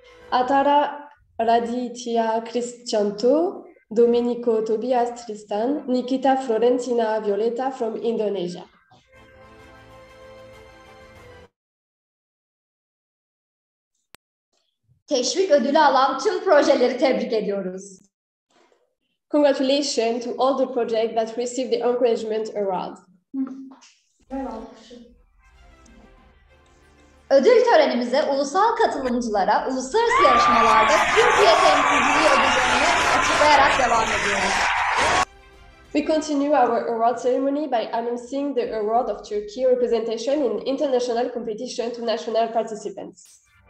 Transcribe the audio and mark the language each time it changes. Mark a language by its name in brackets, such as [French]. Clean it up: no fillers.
[English] Atara Raditya Christianto, Domenico Tobias Tristan, Nikita Florentina Violeta from Indonesia. [Turkish] Teşvik ödülü alan tüm projeleri tebrik ediyoruz. [English] Congratulations to all the projects that received the encouragement award. [Turkish] Ödül törenimize ulusal katılımcılara uluslararası yarışmalarda Türkiye temsilciliği ödüllerini açıklayarak devam ediyoruz. [English] We continue our award ceremony by announcing the award of Turkey representation in international competition to national participants.